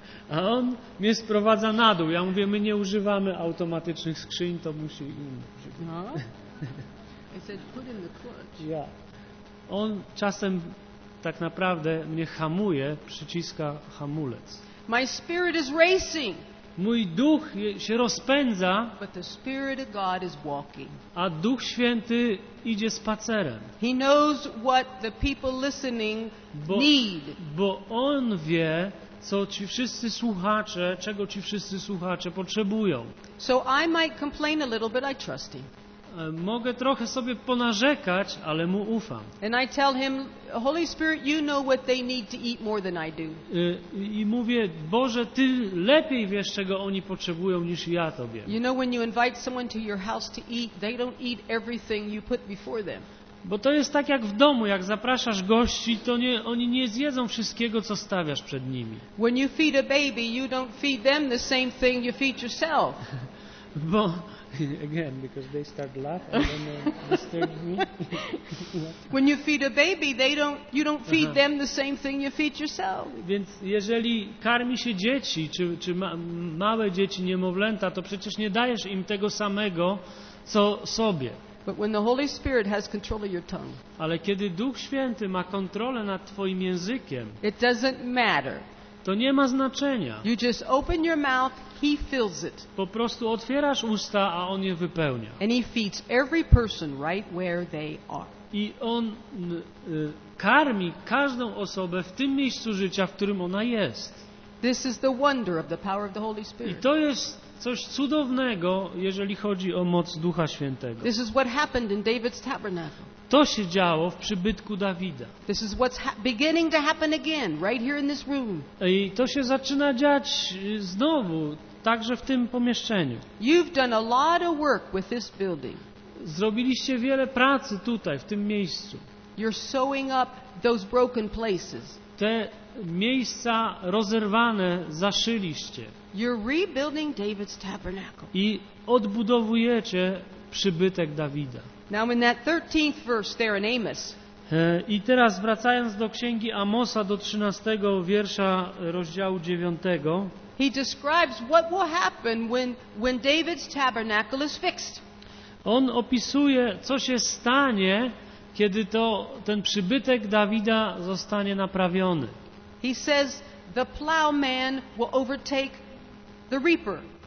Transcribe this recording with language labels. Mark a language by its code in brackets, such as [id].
[pl] A on mnie sprowadza na dół. Ja mówię, my nie używamy automatycznych skrzyń, to musi inny. [en] No. I said, put in the clutch. Yeah. [pl] On czasem tak naprawdę mnie hamuje, przyciska hamulec. [en] My spirit is racing. [pl] Mój duch się rozpędza, [en] but the Spirit of God is walking. [pl] A Duch Święty idzie spacerem. [en] He knows what the people listening need. [pl] Bo on wie, co ci wszyscy słuchacze, czego ci wszyscy słuchacze potrzebują. [en] So I might complain a little, but I trust him. [pl] Mogę trochę sobie ponarzekać, ale mu ufam. [en] And I tell him, Holy Spirit, you know what they need to eat more than I do. [pl] I mówię, Boże, ty lepiej wiesz, czego oni potrzebują niż ja tobie. [en] You know when you invite someone to your house to eat, they don't eat everything you put before them. [pl] Bo to jest tak jak w domu, jak zapraszasz gości, to nie, oni nie zjedzą wszystkiego, co stawiasz przed nimi. [en] When you feed a baby, you don't feed them the same thing you feed yourself. Bo again, because they start laughing and disturb me. When you feed a baby, you don't feed them the same thing you feed yourself. [pl] Więc jeżeli karmi się dzieci, czy małe dzieci, niemowlęta, to przecież nie dajesz im tego samego, co sobie. [en] But when the Holy Spirit has control of your tongue, [pl] ale kiedy Duch Święty ma kontrolę nad twoim językiem, [en] it doesn't matter. [pl] To nie ma znaczenia. [en] You just open your mouth, he fills it. [pl] Po prostu otwierasz usta, a on je wypełnia. [en] And he feeds every person right where they are. [pl] I on karmi każdą osobę w tym miejscu życia, w którym ona jest. [en] This is the wonder of the power of the Holy Spirit. [pl] I to jest coś cudownego, jeżeli chodzi o moc Ducha Świętego. [en] This is what happened in David's tabernacle. [pl] To się działo w przybytku Dawida. [en] This is what's beginning to happen again, right here in this room. [pl] I to się zaczyna dziać znowu, także w tym pomieszczeniu. [en] You've done a lot of work with this building. [pl] Zrobiliście wiele pracy tutaj, w tym miejscu. [en] You're sewing up those broken places. [pl] Te miejsca rozerwane zaszyliście. [en] You're rebuilding David's tabernacle. [pl] I odbudowujecie przybytek Dawida. [en] Now in that 13th verse there in Amos. [pl] I teraz wracając do księgi Amosa do 13 wiersza rozdziału 9. [en] He describes what will happen when David's tabernacle is fixed. [pl] On opisuje, co się stanie, kiedy to ten przybytek Dawida zostanie naprawiony. [en] He says the plowman will overtake the reaper.